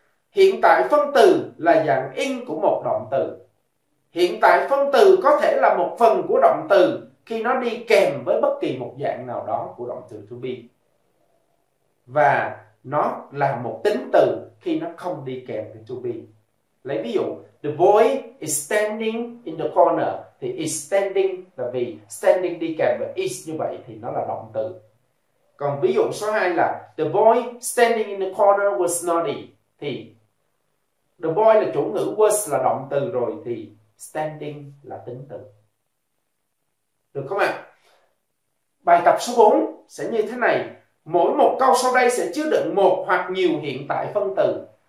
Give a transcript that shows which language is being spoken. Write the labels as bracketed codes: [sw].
[vi] Hiện tại phân từ là dạng in của một động từ. Hiện tại phân từ có thể là một phần của động từ khi nó đi kèm với bất kỳ một dạng nào đó của động từ to be. Và nó là một tính từ khi nó không đi kèm với to be. Lấy ví dụ, [en] the boy is standing in the corner. [vi] Thì [en] is standing [vi] là vì standing đi kèm với is, như vậy thì nó là động từ. Còn ví dụ số 2 là [en] the boy standing in the corner was naughty. [vi] Thì [en] the boy [vi] là chủ ngữ, was là động từ rồi, thì standing là tính từ. Được không ạ? Bài tập số 4 sẽ như thế này. Mỗi một câu sau đây sẽ chứa đựng một hoặc nhiều hiện tại phân từ.